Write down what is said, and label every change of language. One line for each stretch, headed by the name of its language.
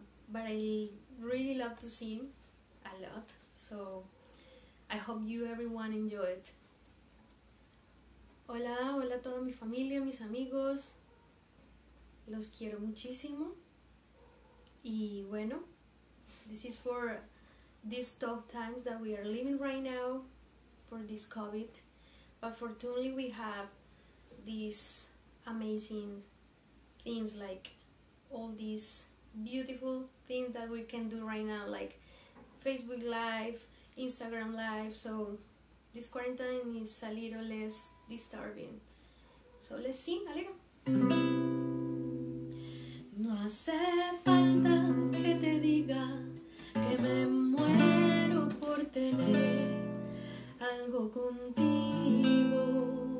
English: But I really love to sing a lot, so I hope you everyone enjoy it.
Spanish: Hola, hola a toda mi familia, mis amigos. Los quiero muchísimo. Y bueno,
English: this is for these tough times that we are living right now, for this COVID. But fortunately, we have these amazing things like all these beautiful things that we can do right now, like Facebook Live, Instagram Live. So this quarantine is a little less disturbing. So let's sing a little.
Spanish: No hace falta que te diga que me muero por tener algo contigo.